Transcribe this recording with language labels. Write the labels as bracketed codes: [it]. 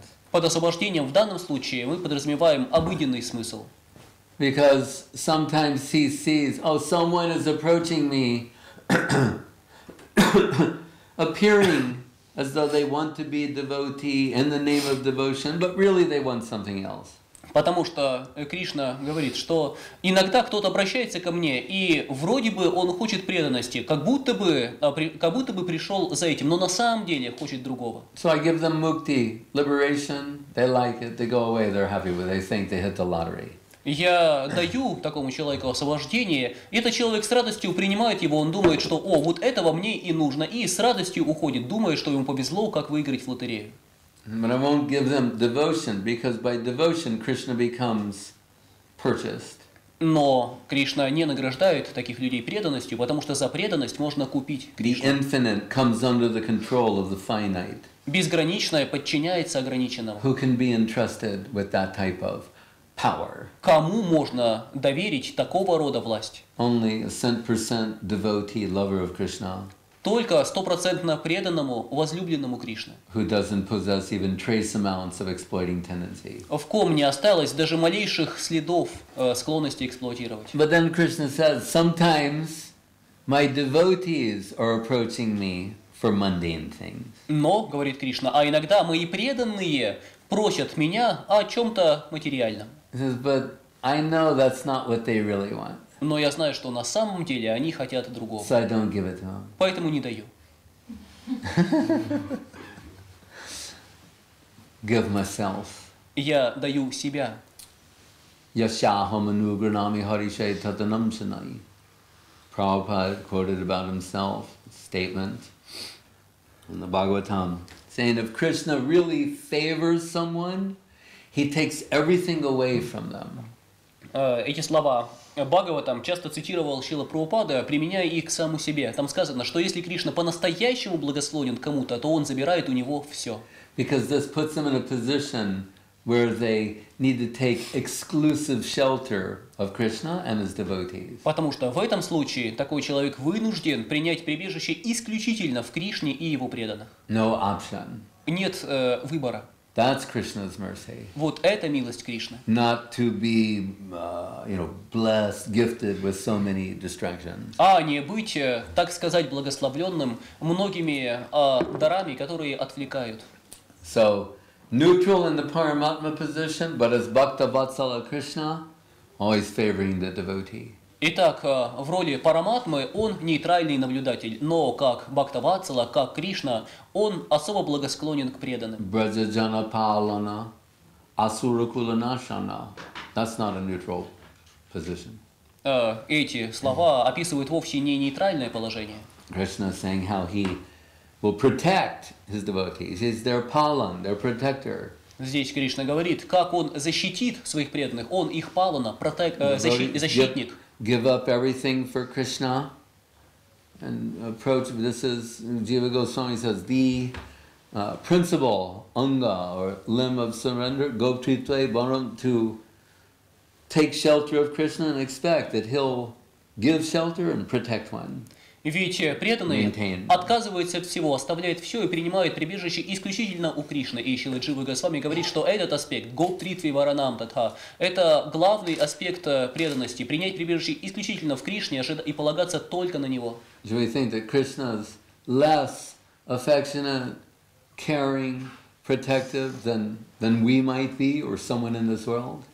[ru] Под освобождением в данном случае мы подразумеваем обыденный смысл. [en] Because sometimes he sees, oh, someone is approaching me, appearing as though they want to be devotee in the name of devotion, but really they want something else. [ru] Потому что Кришна говорит, что иногда кто-то обращается ко мне, и вроде бы он хочет преданности, как будто бы пришел за этим, но на самом деле хочет другого. [en] So I give them mukti, liberation, they like it, they go away, they're happy with it, they think they hit the lottery. [ru] Я даю такому человеку освобождение, и этот человек с радостью принимает его, он думает, что «О, вот этого мне и нужно», и с радостью уходит, думая, что ему повезло, как выиграть в лотерею. [en] But I won't give them devotion, because by devotion Krishna becomes purchased. [ru] Но Кришна не награждает таких людей преданностью, потому что за преданность можно купить Кришну. [en] The infinite comes under the control of the finite. [ru] Безграничное подчиняется ограниченному. [en] Who can be entrusted with that type of power? [ru] Кому можно доверить такого рода власть? [en] Only a 100% devotee, lover of Krishna. [ru] Только 100% преданному, возлюбленному Кришне. [en] Who doesn't possess even trace amounts of exploiting tendencies. [ru] В ком не осталось даже малейших следов склонности эксплуатировать. [en] But then Krishna says, sometimes my devotees are approaching me for mundane things. [ru] Но, говорит Кришна, а иногда мои преданные просят меня о чем-то материальном. [en] He says, but I know that's not what they really want. [ru] Но я знаю, что на самом деле они хотят другого. [en] So I don't give it to them. [ru] Поэтому не даю. [en] Give myself. [ru] Я даю себя. [sa] Yashaham anugranami harishay tatanam sanai. [en] Prabhupada quoted about himself a statement in the Bhagavatam saying if Krishna really favors someone, he takes everything away from them. [ru] Эти слова Бхагаватам часто цитировал Шрила Прабхупада, применяя их к самому себе. Там сказано, что если Кришна по-настоящему благословен кому-то, то он забирает у него все. [en] Because this puts them in a position where they need to take exclusive shelter of Krishna and his devotees. [ru] Потому что в этом случае такой человек вынужден принять прибежище исключительно в Кришне и его преданных. [en] No option. [ru] Нет выбора. [en] That's Krishna's mercy. [ru] Вот это милость Кришны. [en] Not to be, blessed, gifted with so many distractions. [ru] А не быть, так сказать, благословленным многими дарами, которые отвлекают. [en] So, neutral in the Paramatma position, but as Bhakta Vatsala Krishna, always favoring the devotee. [ru] Итак, в роли Параматмы он нейтральный наблюдатель, но как Бхактавацала, как Кришна, он особо благосклонен к преданным. [sa] Браджаджана Палана Асуракуланашана. [en] That's not a neutral position. [ru] Эти слова описывают вовсе не нейтральное положение. [en] Krishna is saying how he will protect his devotees. He's their palan, their protector. [ru] Здесь Кришна говорит, как он защитит своих преданных, он их палана, защитник. [en] Give up everything for Krishna and approach. This is Jiva Goswami says the principal anga or limb of surrender, gopitve bharam, to take shelter of Krishna and expect that he'll give shelter and protect one. [ru] Ведь преданный отказывается от всего, оставляет все и принимает прибежище исключительно у Кришны. И Шрила Джива Госвами говорит, что этот аспект, Гоптритви Варанам Татха, это главный аспект преданности, принять прибежище исключительно в Кришне и полагаться только на Него. [en] Do we think that Krishna's less affectionate, caring, protective than we might be or someone in this world?